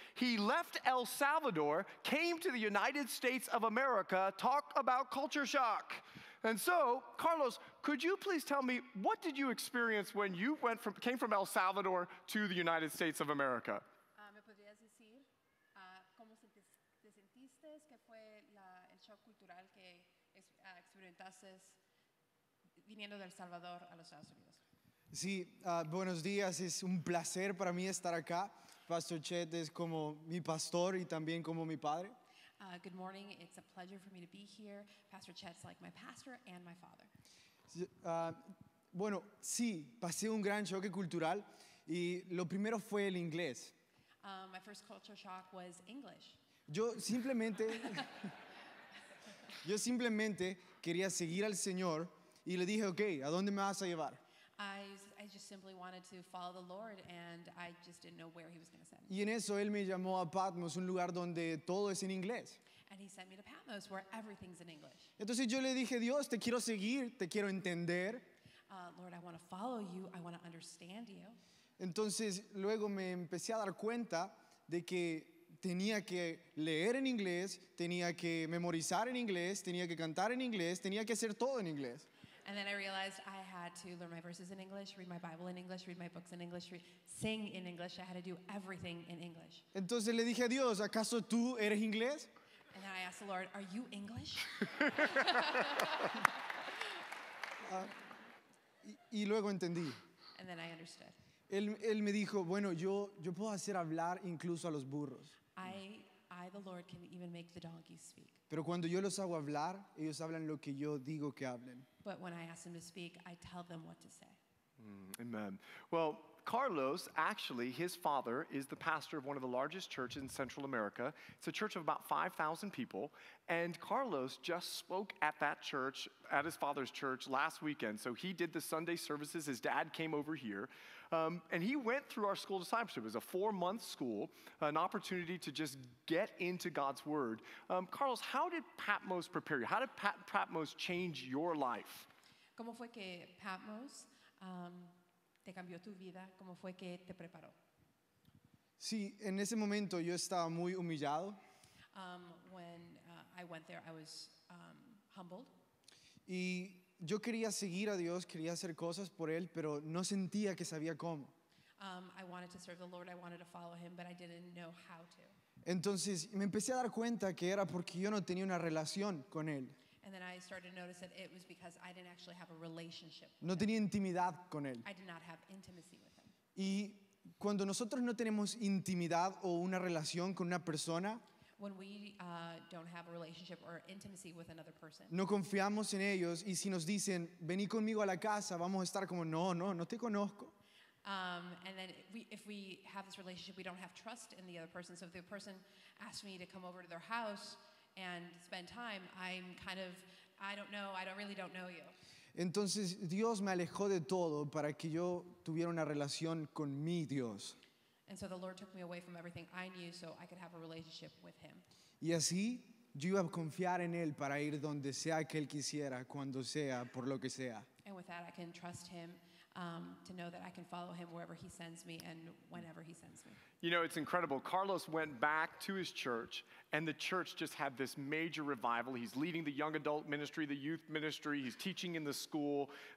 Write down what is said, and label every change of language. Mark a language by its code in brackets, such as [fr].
[en] He left El Salvador, came to the United States of America, talk about culture shock. And so, Carlos, could you please tell me, what did you experience when you came from El Salvador to the United States of America? [es] ¿Me podrías decir cómo te sentiste? ¿Qué fue el shock cultural que experimentaste viniendo del Salvador a los Estados Unidos? Sí, buenos días. Es un placer para mí estar acá. Pastor Chet es como mi pastor y también como mi padre. [en] Good morning. It's a pleasure for me to be here. Pastor Chet's like my pastor and my father. [es] Bueno, sí, pasé un gran choque cultural y lo primero fue el inglés. [en] My first culture shock was English. [es] Yo simplemente quería seguir al Señor y le dije, okay, ¿a dónde me vas a llevar? [en] I just simply wanted to follow the Lord, and I just didn't know where he was going to send me. [es] Y en eso él me llamó a Patmos, un lugar donde todo es en inglés. [en] And he sent me to Patmos, where everything's in English. [es] Entonces yo le dije, Dios, te quiero seguir, te quiero entender. [en] Lord, I want to follow you, I want to understand you. [es] Entonces luego me empecé a dar cuenta de que tenía que leer en inglés, tenía que memorizar en inglés, tenía que cantar en inglés, tenía que hacer todo en inglés. [en] And then I realized I had to learn my verses in English, read my Bible in English, read my books in English, sing in English. I had to do everything in English. [es] Entonces le dije a Dios, ¿acaso tú eres inglés? [en] And then I asked the Lord, are you English? [es] y luego entendí. [en] And then I understood. [es] Él me dijo, bueno, yo puedo hacer hablar incluso a los burros. [en] I, the Lord, can even make the donkeys speak. [es] Pero cuando yo los hago hablar, ellos hablan lo que yo digo que hablen. [en] But when I ask them to speak, I tell them what to say. Amen. Well, Carlos, actually, his father is the pastor of one of the largest churches in Central America. It's a church of about 5,000 people. And Carlos just spoke at that church, at his father's church, last weekend. So he did the Sunday services. His dad came over here. And he went through our school discipleship. It was a four-month school, an opportunity to just get into God's word. Carlos, how did Patmos prepare you? How did Patmos change your life? [es] ¿Cómo fue que Patmos te cambió tu vida? ¿Cómo fue que te preparó? Sí, en ese momento yo estaba muy humillado. [en] When I went there, I was humbled. [es] Y yo quería seguir a Dios, quería hacer cosas por Él, pero no sentía que sabía cómo. [en] I wanted to serve the Lord, I wanted to follow Him, but I didn't know how to. [es] Entonces me empecé a dar cuenta que era porque yo no tenía una relación con Él. [en] And then I started to notice that it was because I didn't actually have a relationship with [es] him. No tenía intimidad con él. [en] I did not have intimacy with him. [es] Y cuando nosotros no tenemos intimidad o una relación con una persona, [en] when we don't have a relationship or intimacy with another person, [es] no confiamos en ellos, y si nos dicen, vení conmigo a la casa, vamos a estar como, no te conozco. [en] And then if we have this relationship, we don't have trust in the other person. So if the person asks me to come over to their house and spend time, I'm kind of, I don't really know you. [es] Entonces Dios me alejó de todo para que yo tuviera una relación con mi Dios. [en] And so the Lord took me away from everything I knew so I could have a relationship with him. [es] Y así yo iba a confiar en él para ir donde sea que él quisiera, cuando sea, por lo que sea. [en] And with that I can trust him to know that I can follow him wherever he sends me and whenever he sends me. You know, it's incredible. Carlos went back to his church, and the church just had this major revival. He's leading the young adult ministry, the youth ministry. He's teaching in the school.